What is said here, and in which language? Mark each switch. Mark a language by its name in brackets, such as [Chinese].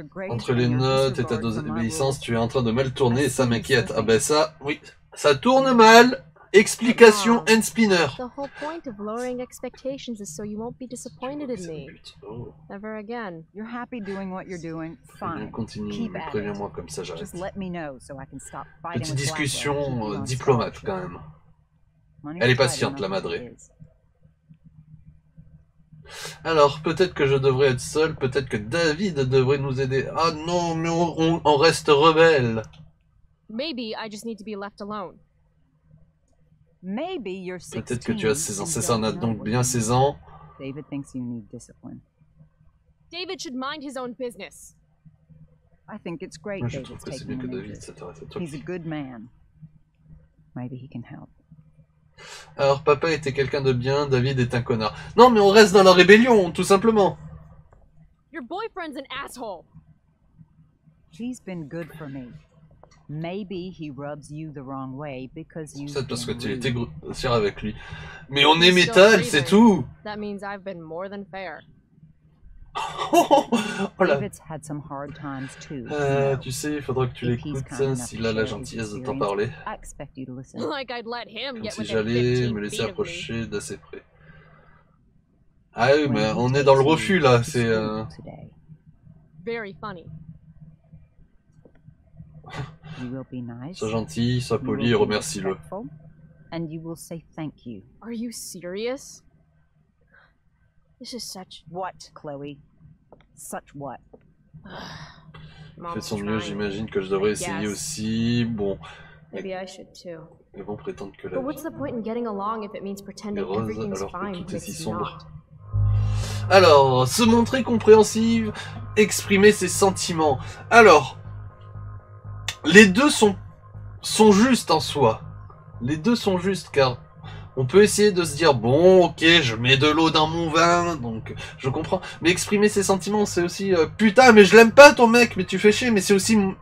[French] Entre les notes et ta désobéissance, tu es en train de mal tourner et ça m'inquiète. Ah ben ça, oui, ça tourne mal. Explication and spinner. [English] The whole point of lowering expectations is so you won't be disappointed in me. Never again. You're happy doing what you're doing. Fine. [French] Continue, mais préviens-moi comme ça j'arrête. [English] Just let me know so I can stop fighting. [French] Petite discussion diplomate quand même. Elle est patiente, la madre. Alors, peut-être que je devrais être seul, peut-être que David devrait nous aider. Ah non, mais on reste rebelles. [English] Maybe I just need to be left alone. Maybe you're 16. [French] Peut-être que tu as 16 ans. C'est ça, on a donc bien 16 ans. [English] David thinks you need discipline. David should mind his own business. I think it's great. [French] Moi, je trouve que c'est mieux que David, c'est toi. [English] He's a good man. Maybe he can help. [French] Alors, papa était quelqu'un de bien, David est un connard. Non, mais on reste dans la rébellion, tout simplement. [English] Your boyfriend's an asshole. She's been good for me. Maybe he rubs you the wrong way because you. [French] C'est parce que tu étais grossière avec lui. Mais on est métal, c'est tout. [English] That means I've been more than fair. [French] Oh là. [English] David's had some hard times too. [French] Tu sais, il faudra que tu l'écoutes, s'il a la gentillesse de t'en parler. [English] Like I'd let him [French] comme si j'allais me laisser approcher d'assez près. Ah oui, mais on est dans le refus là, c'est. [English] Very funny. [French] Sois gentil, sois poli, remercie-le. [English] And you will say thank you. Are you serious? This is such what, Chloe? Such what? [French] Fais son mieux, j'imagine que je devrais essayer aussi. Bon. [English] Maybe I should too. [French] Mais bon, prétendre que. [English] But what's the point in getting along if it means pretending everything's fine when it's not? [French] Alors, se montrer compréhensive, exprimer ses sentiments. Alors, les deux sont justes en soi. Les deux sont justes car. On peut essayer de se dire, bon, ok, je mets de l'eau dans mon vin, donc je comprends. Mais exprimer ses sentiments, c'est aussi, putain, mais je l'aime pas ton mec, mais tu fais chier, mais c'est aussi...